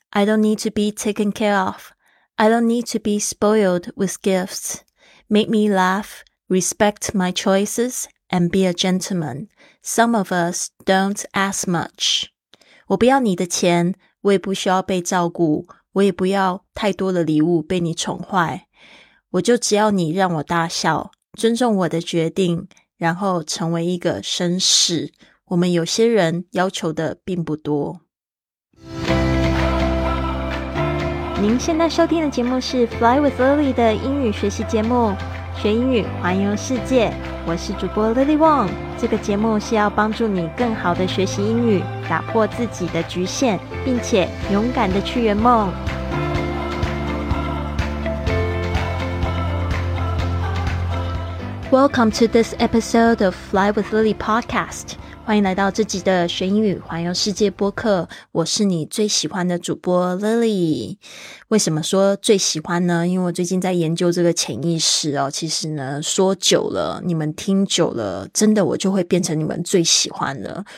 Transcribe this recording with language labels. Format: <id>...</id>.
<en>I don't need to be taken care of. I don't need to be spoiled with gifts. Make me laugh, respect my choices, and be a gentleman. Some of us don't ask much.</en> <zh>我不要你的钱，我也不需要被照顾，我也不要太多的礼物被你宠坏。我就只要你让我大笑，尊重我的决定，然后成为一个绅士。我们有些人要求的并不多。您现在收听的节目是 Fly with Lily 的英语学习节目，学英语环游世界。我是主播 Lily Wong。这个节目是要帮助你更好的学习英语，打破自己的局限，并且勇敢的去圆梦。</zh> <en>Welcome to this episode of Fly with Lily podcast.</en> <zh>欢迎来到这集的学英语环游世界播客。我是你最喜欢的主播 Lily。为什么说最喜欢呢？因为我最近在研究这个潜意识哦。其实呢，说久了，你们听久了，真的我就会变成你们最喜欢的。</zh>